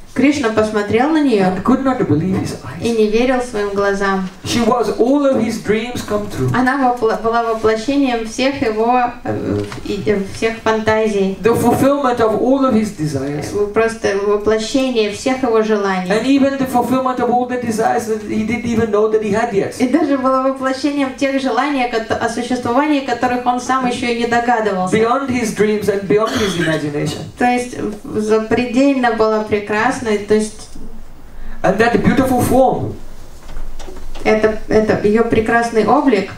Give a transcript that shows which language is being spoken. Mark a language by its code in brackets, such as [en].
[ru] Кришна посмотрел на нее [en] and could not believe his eyes. [ru] И не верил своим глазам. [en] She was all of his dreams come true. [ru] Она была воплощением всех его всех фантазий. [en] The fulfillment of all of his desires. [ru] Просто воплощение всех его желаний. [en] And even the fulfillment of all the desires that he didn't even know that he had yet. [ru] И даже было воплощением тех желаний, о существовании которых он сам еще и не догадывался. [en] Beyond his dreams and beyond his imagination. [ru] То есть запредельно было прекрасно. [en] And that beautiful form. [ru] Это ее прекрасный облик.